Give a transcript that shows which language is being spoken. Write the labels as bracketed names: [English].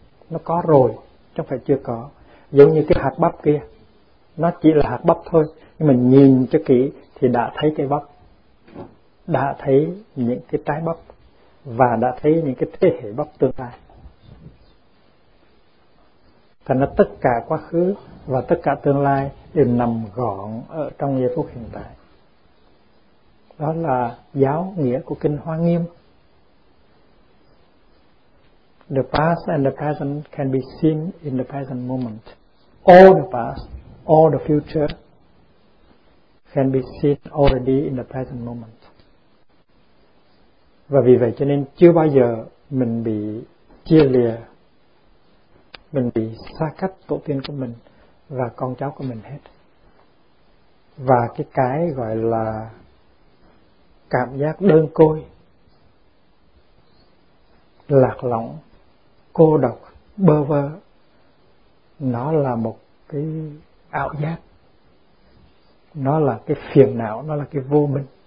[Vietnamese] Nó có rồi, chứ không phải chưa có. Giống như cái hạt bắp kia, nó chỉ là hạt bắp thôi, nhưng mà nhìn cho kỹ thì đã thấy cái bắp, đã thấy những cái trái bắp và đã thấy những cái thế hệ bắp tương lai. Thành ra tất cả quá khứ và tất cả tương lai đều nằm gọn ở trong giây phút hiện tại. Đó là giáo nghĩa của Kinh Hoa Nghiêm. [English] The past and the present can be seen in the present moment. All the past, all the future can be seen already in the present moment. [Vietnamese] Và vì vậy cho nên chưa bao giờ mình bị chia lìa, mình bị xa cách tổ tiên của mình và con cháu của mình hết. Và cái gọi là cảm giác đơn côi, lạc lõng, cô độc, bơ vơ, nó là một cái ảo giác, nó là cái phiền não, nó là cái vô minh.